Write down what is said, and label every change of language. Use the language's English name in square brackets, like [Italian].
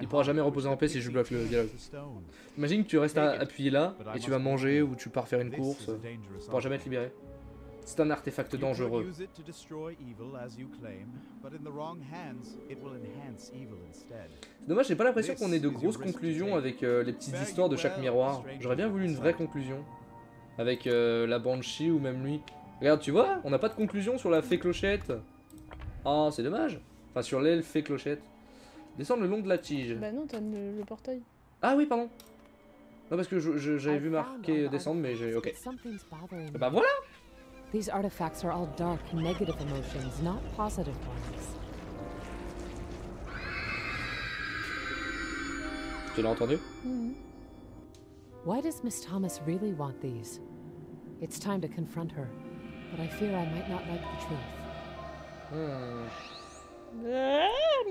[French] Il pourra jamais reposer en paix si je bloque le dialogue. Imagine que tu restes appuyé là et tu vas manger ou tu pars faire une course. Tu pourras jamais être libéré. C'est un artefact dangereux. [English] You could use it to destroy evil as you claim, but in the wrong hands, it will enhance evil instead. [French] Dommage, j'ai pas l'impression qu'on ait de grosses conclusions avec les petites histoires de chaque miroir. J'aurais bien voulu une vraie conclusion avec la Banshee ou même lui. Regarde, tu vois, on n'a pas de conclusion sur la fée clochette. Oh, c'est dommage. Enfin, sur l'elfe fée clochette. Descends le long de la tige. Bah non, t'as le portail. Ah oui, pardon. Non, parce que j'avais vu marquer descendre, mais j'ai... Ok. Bah voilà. [English] These artifacts are all dark, negative emotions, not positive ones. [French] Tu l'as entendu? [English] Why does Miss Thomas really want these? It's time to confront her, but I fear I might not like the truth.